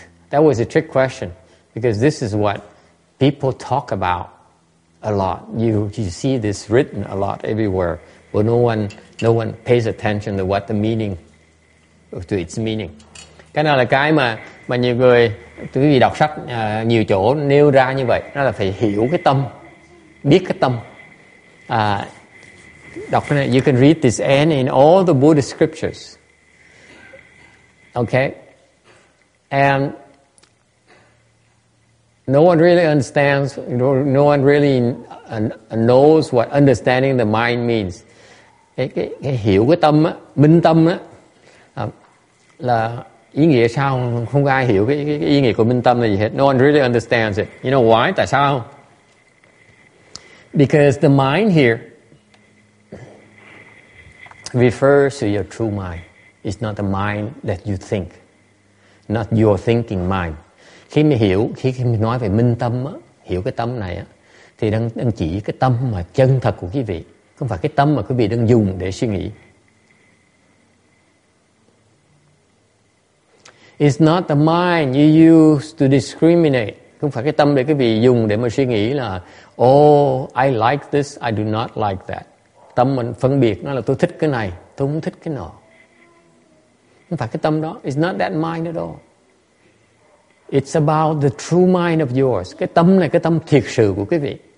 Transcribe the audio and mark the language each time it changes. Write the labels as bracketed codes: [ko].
[en] That was a trick question, because this is what people talk about a lot. You see this written a lot everywhere, but no one pays attention to what the meaning, to its meaning. [vi] Cái này là cái mà nhiều người, quý vị đọc sách nhiều chỗ nêu ra như vậy, đó là phải hiểu cái tâm, biết cái tâm. Đọc cái này, [en] you can read this and in all the Buddhist scriptures. Okay? And no one really understands, no one really knows what understanding the mind means. [vi] Cái hiểu cái tâm á, minh tâm á, là ý nghĩa sao, không ai hiểu cái ý nghĩa của minh tâm là gì hết. [en] No one really understands it. You know why? [vi] Tại sao? [en] Because the mind here refers to your true mind. It's not the mind that you think. Not your thinking mind. [vi] Khi mình hiểu, khi mình nói về minh tâm á, hiểu cái tâm này á, thì đang chỉ cái tâm mà chân thật của quý vị, không phải cái tâm mà quý vị đang dùng để suy nghĩ. [en] It's not the mind you use to discriminate. [vi] Không phải cái tâm để quý vị dùng để mà suy nghĩ là [en] oh, I like this, I do not like that. [vi] Tâm mình phân biệt, nó là tôi thích cái này, tôi không thích cái nọ. Không phải cái tâm đó. [en] It's not that mind at all. It's about the true mind of yours. [vi] Cái tâm này, cái tâm thiệt sự của quý vị.